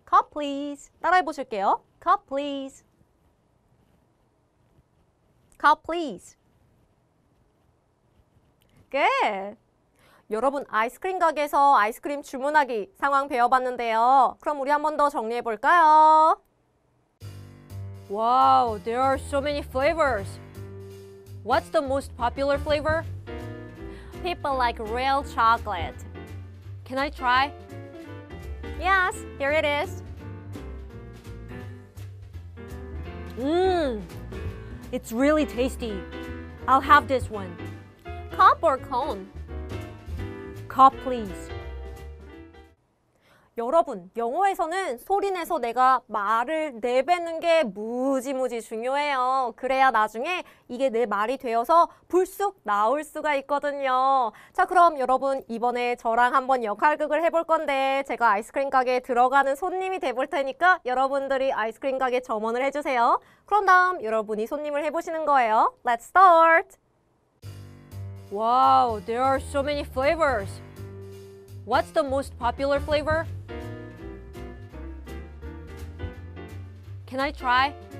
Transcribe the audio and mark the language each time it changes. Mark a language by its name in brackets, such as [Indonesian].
[English] cup please. [Korean] 따라해 보실게요. [English] cup please. cup please. good. [Korean] 여러분, 아이스크림 가게에서 아이스크림 주문하기 상황 배워봤는데요. 그럼 우리 한 번 더 정리해 볼까요? [English] Wow, there are so many flavors. What's the most popular flavor? People like real chocolate. Can I try? Yes, here it is. Mmm, it's really tasty. I'll have this one. Cup or cone? Cup, please. [Korean] 여러분, 영어에서는 소리내서 내가 말을 내뱉는 게 무지무지 중요해요. 그래야 나중에 이게 내 말이 되어서 불쑥 나올 수가 있거든요. 자, 그럼 여러분, 이번에 저랑 한번 역할극을 해볼 건데 제가 아이스크림 가게에 들어가는 손님이 돼볼 테니까 여러분들이 아이스크림 가게 점원을 해주세요. 그런 다음 여러분이 손님을 해보시는 거예요. [English] Let's start! Wow, there are so many flavors. What's the most popular flavor? Can I try?